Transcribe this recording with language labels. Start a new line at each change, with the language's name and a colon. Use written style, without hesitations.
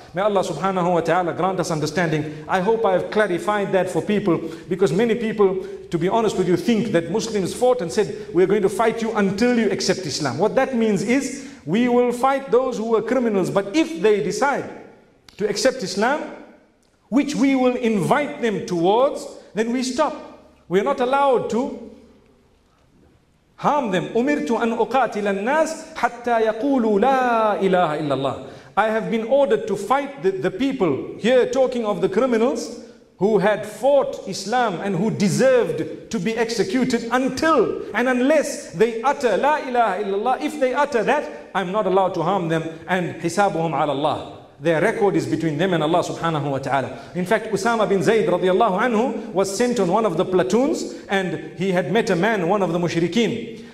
English: May Allah subhanahu wa ta'ala grant us understanding. I hope I have clarified that for people, because many people, to be honest with you, think that Muslims fought and said, we are going to fight you until you accept Islam. What that means is, we will fight those who are criminals, but if they decide to accept Islam, which we will invite them towards, then we stop. We are not allowed to harm them.
Arabic: أُمِرْتُ أَنْ أُقَاتِلَ النَّاسِ حَتَّى يَقُولُوا لَا إِلَهَ إِلَّا اللَّهِ.
English: I have been ordered to fight the people. Here talking of the criminals who had fought Islam and who deserved to be executed until and unless they utter
Arabic: لا إله إلا الله.
English: If they utter that, I'm not allowed to harm them. And
Arabic: حِسَابُهُمْ عَلَى اللَّهِ.
English: Their record is between them and Allah subhanahu wa ta'ala. In fact, Usama bin Zayd radiallahu anhu was sent on one of the platoons, and he had met a man, one of the mushrikeen.